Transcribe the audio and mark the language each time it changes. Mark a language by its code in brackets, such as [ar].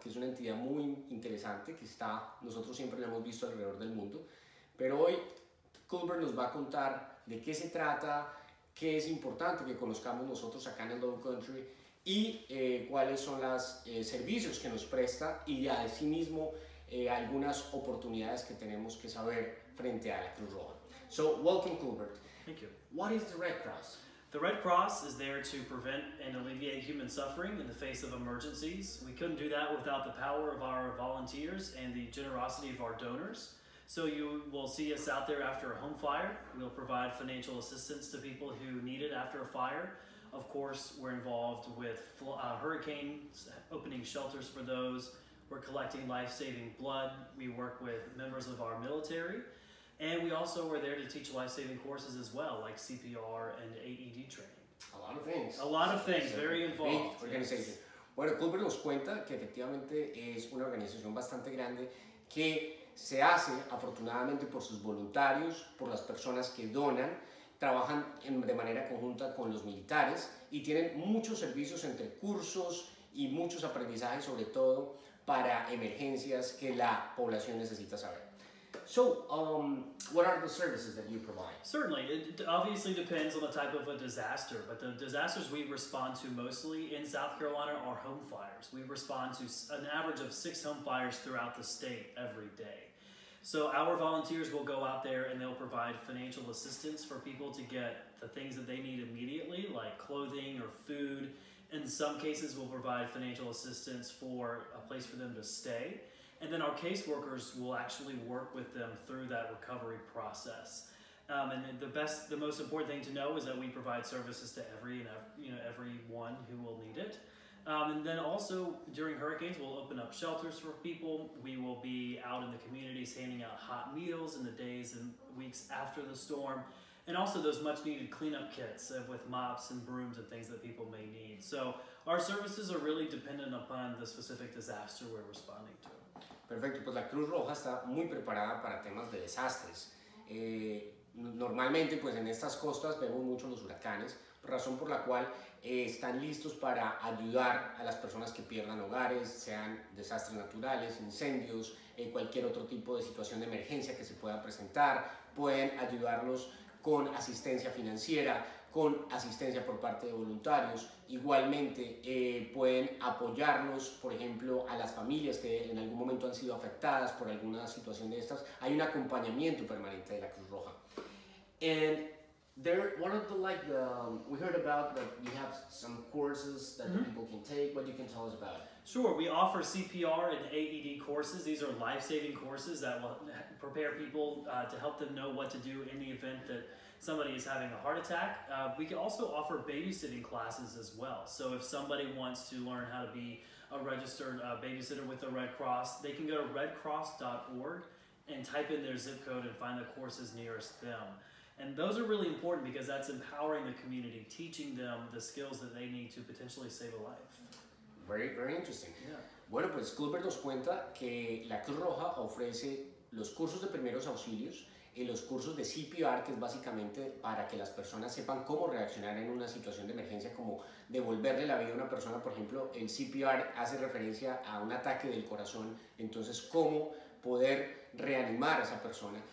[es] Que es una entidad muy interesante que está, nosotros siempre la hemos visto alrededor del mundo, pero hoy Culver nos va a contar de qué se trata, qué es importante que conozcamos nosotros acá en el Low Country y cuáles son los servicios que nos presta y a sí mismo algunas oportunidades que tenemos que saber frente a la Cruz Roja. [en] So, welcome Culver. Thank you. What is the Red Cross? The Red Cross is there to prevent and alleviate human suffering in the face of emergencies. We couldn't do that without the power of our volunteers and the generosity of our donors. So you will see us out there after a home fire. We'll provide financial assistance to people who need it after a fire. Of course, we're involved with hurricanes, opening shelters for those. We're collecting life-saving blood. We work with members of our military. And we also were there to teach life-saving courses as well, like CPR and AED training. A lot of things. A lot of things, very involved. Big organization. Yes. [es] Bueno, Culver nos cuenta que efectivamente es una organización bastante grande que se hace afortunadamente por sus voluntarios, por las personas que donan, trabajan de manera conjunta con los militares y tienen muchos servicios entre cursos y muchos aprendizajes, sobre todo para emergencias que la población necesita saber. [en] So, what are the services that you provide? Certainly. It obviously depends on the type of a disaster, but the disasters we respond to mostly in South Carolina are home fires. We respond to an average of 6 home fires throughout the state every day. So our volunteers will go out there and they'll provide financial assistance for people to get the things that they need immediately, like clothing or food. In some cases, we'll provide financial assistance for a place for them to stay. And then our caseworkers will actually work with them through that recovery process. And the most important thing to know is that we provide services to everyone who will need it. And then also during hurricanes, we'll open up shelters for people. We will be out in the communities handing out hot meals in the days and weeks after the storm. And also those much needed cleanup kits with mops and brooms and things that people may need. So our services are really dependent upon the specific disaster we're responding to. [es] Perfecto, pues la Cruz Roja está muy preparada para temas de desastres. Normalmente, pues en estas costas vemos mucho los huracanes, razón por la cual están listos para ayudar a las personas que pierdan hogares, sean desastres naturales, incendios, cualquier otro tipo de situación de emergencia que se pueda presentar. Pueden ayudarlos con asistencia financiera, con asistencia por parte de voluntarios. Igualmente, pueden apoyarnos, por ejemplo, a las familias que en algún momento han sido afectadas por alguna situación de estas. Hay un acompañamiento permanente de la Cruz Roja. [en] And there, one of the, like, the, we heard about that you have some courses that people can take. What you can tell us about? Sure, we offer CPR and AED courses. These are life-saving courses that will prepare people to help them know what to do in the event that somebody is having a heart attack. We can also offer babysitting classes as well. So if somebody wants to learn how to be a registered babysitter with the Red Cross, they can go to redcross.org and type in their zip code and find the courses nearest them. And those are really important because that's empowering the community, teaching them the skills that they need to potentially save a life. Very, very interesting. Yeah. [es] Bueno, pues Culver nos cuenta que la Cruz Roja ofrece los cursos de primeros auxilios y los cursos de CPR, que es básicamente para que las personas sepan cómo reaccionar en una situación de emergencia, como devolverle la vida a una persona. Por ejemplo, el CPR hace referencia a un ataque del corazón, entonces cómo poder reanimar a esa persona.